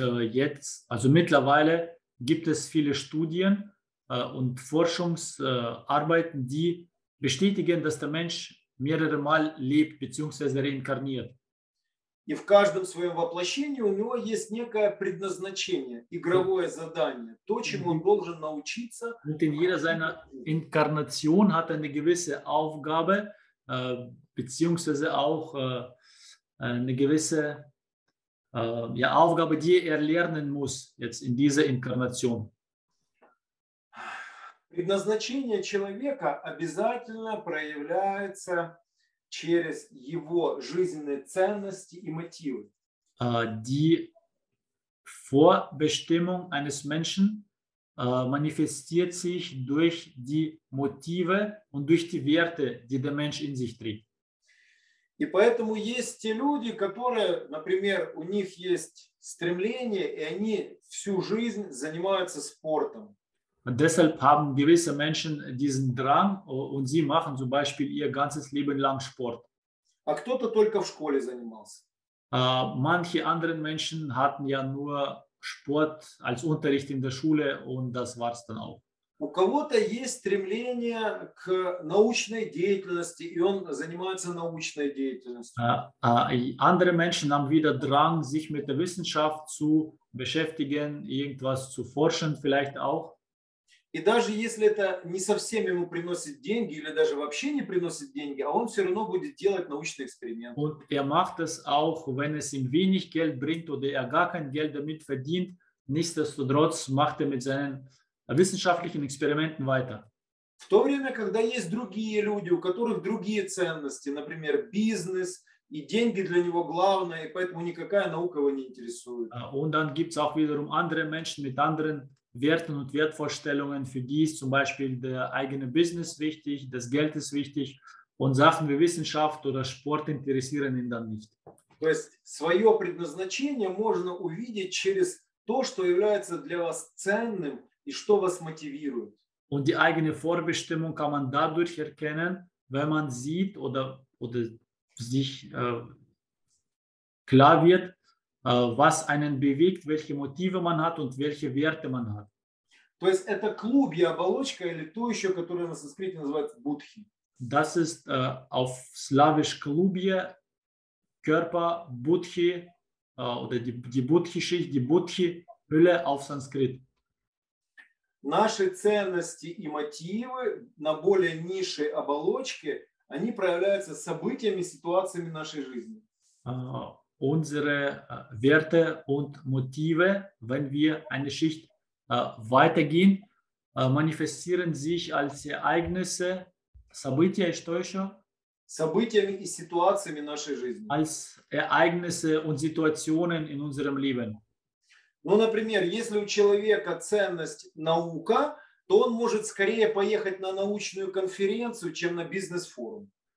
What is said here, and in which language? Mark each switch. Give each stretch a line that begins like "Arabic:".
German: Jetzt, also mittlerweile gibt es viele Studien und Forschungsarbeiten, die bestätigen, dass der Mensch mehrere Mal lebt bzw. reinkarniert.
Russian: И в каждом своем воплощении у него есть некое предназначение, игровое задание, то, чему он должен научиться.
German: Und in jeder seiner Inkarnation hat eine gewisse Aufgabe, beziehungsweise auch eine gewisse Aufgabe, die lernen muss jetzt in dieser Inkarnation.
Russian: Предназначение человека обязательно проявляется через его жизненные ценности и мотивы.
German: Die Vorbestimmung eines Menschen manifestiert sich durch die Motive und durch die Werte, die der Mensch in sich trägt.
Russian: И поэтому есть те люди, которые, например, у них есть стремление, и они всю жизнь занимаются спортом.
German: Deshalb haben gewisse Menschen diesen Drang und sie machen zum Beispiel ihr ganzes Leben lang Sport.
Russian: А кто-то только в школе занимался.
German: Manche anderen Menschen hatten ja nur Sport als Unterricht in der Schule und das war's dann auch.
Russian: У кого-то есть стремление к научной деятельности, и он занимается научной деятельностью.
German: Andere Menschen haben wieder Drang, sich mit der Wissenschaft zu beschäftigen, irgendwas zu forschen vielleicht auch.
Russian: И даже если это не совсем ему приносит деньги или даже вообще не приносит деньги, а он все равно будет делать научный эксперимент.
German: Und macht es auch, wenn es ihm wenig Geld bringt oder gar kein Geld damit verdient, nichtsdestotrotz macht mit seinen wissenschaftlichen Experimenten weiter.
Russian: В то время, когда есть другие люди, у которых другие ценности, например, бизнес, и деньги для него главное, и поэтому никакая наука его не интересует.
German: Und dann gibt's auch wiederum andere Menschen mit anderen Werten und Wertvorstellungen, für die ist zum Beispiel der eigene Business wichtig, das Geld ist wichtig und Sachen wie Wissenschaft oder Sport interessieren ihn dann nicht.
Russian: То есть свое предназначение можно увидеть через то, что является для вас ценным и что вас мотивирует.
German: Und die eigene Vorbestimmung kann man dadurch erkennen, wenn man sieht oder sich klar wird, was einen bewegt, welche Motive man hat und welche Werte man hat.
Russian: То есть это клуб, я оболочка или то еще, которое на санскрите называют будхи.
German: Das ist auf slawisch klubje, Körper, будхи, oder die будхи-шичь, die будхи-хюле auf санскрит.
Russian: Наши ценности и мотивы на более низшей оболочке, они проявляются событиями, ситуациями нашей жизни.
German: Unsere Werte und Motive, wenn wir eine Schicht weitergehen, manifestieren sich als Ereignisse,
Russian: события, что еще? Событиями и ситуациями нашей жизни.
German: Als Ereignisse und Situationen in unserem Leben.
Russian: Ну, например, если у человека ценность наука, то он может скорее поехать на научную конференцию, чем на бизнес-форум.